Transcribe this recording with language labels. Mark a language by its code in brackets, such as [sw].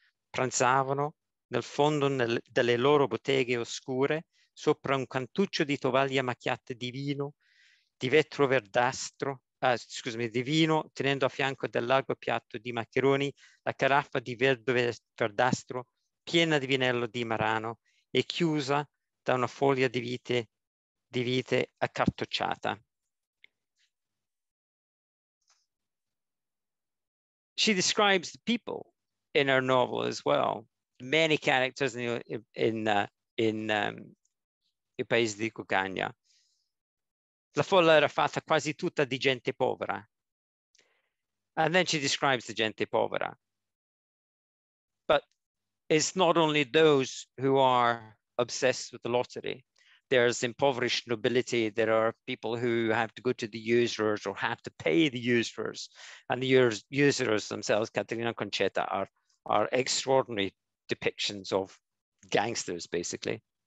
[it] Pranzavano nel fondo delle loro botteghe oscure sopra un cantuccio di tovaglie macchiate di vino, di vetro verdastro, di vino, tenendo a fianco del largo piatto di maccheroni la caraffa di vetro verdastro piena di vinello di Marano e chiusa da una foglia di vite accartocciata. [en] She describes the people in her novel as well. Many characters in il paese di Cucagna. [it] La folla era fatta quasi tutta di gente povera. [en] And then she describes the gente povera. But it's not only those who are obsessed with the lottery. There's impoverished nobility. There are people who have to go to the usurers or have to pay the usurers. And the usurers themselves, Caterina Concetta, are extraordinary depictions of gangsters, basically.